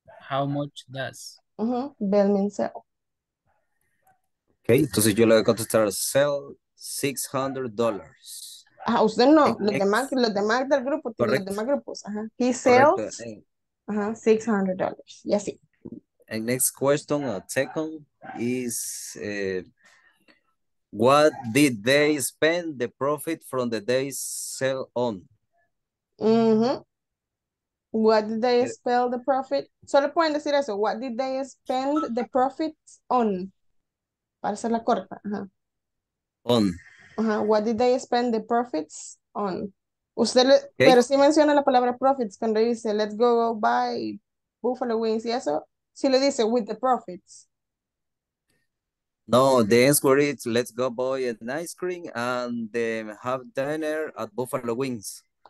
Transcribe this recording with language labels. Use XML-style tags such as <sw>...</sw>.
<en>How much does? Uh-huh. Belmin sell.</en> <es>Ok, entonces yo le voy a contestar,</es> <en>sell</en> <es>$600. Ajá, usted no, los demás del grupo, correcto. Los demás grupos, ajá,</es> <en>he sells,</en> <es>correcto. Ajá, $600, y así.</es> <en>And next question, second, is what did they spend the profit from the day's sale on? Mm-hmm. What did they spell the profit?</en> <es>Solo pueden decir eso.</es> <en>What did they spend the profit on?</en> <es>Para hacerla corta.</es> <en>Uh-huh. On. Uh-huh. What did they spend the profits on?</en> <es>Usted, le,</es> <en>okay.</en> <es>Pero sí menciona la palabra profits cuando dice,</es> <en>let's go buy buffalo wings</en> <es>y eso. Si le dice,</es> <en>with the profits. No, the answer is, let's go buy an ice cream and have dinner at Buffalo Wings.</en>